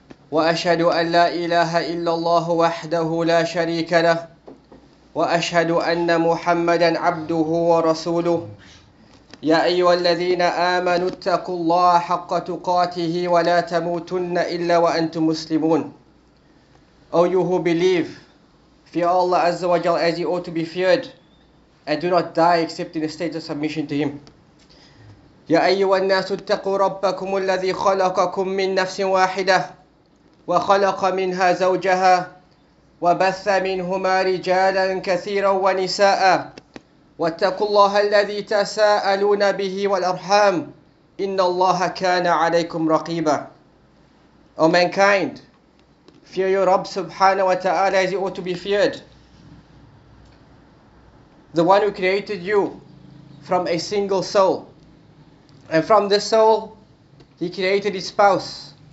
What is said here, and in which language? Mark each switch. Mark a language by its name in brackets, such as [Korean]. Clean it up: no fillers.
[Arabic] وأشهد أن لا إله إلا الله وحده لا شريك له وأشهد أن محمدا عبده ورسوله يا أيها الذين آمنوا اتقوا الله حق تقاته ولا تموتن إلا وأنتم مسلمون. [English] All you who believe, fear Allah Azza wa Jal as you ought to be feared, and do not die except in a state of submission to Him. [Arabic] يا أيها الناس اتقوا ربكم الذي خلقكم من نفس واحدة وخلق منها زوجها وبث منهما رجالا كثيرا ونساء واتقوا الله الذي تساءلون به والأرحام إن الله كان عليكم رقيبا. [English] O mankind, fear your Rabb subhanahu wa ta'ala as you ought to be feared. The one who created you from a single soul. And from this soul, he created his spouse.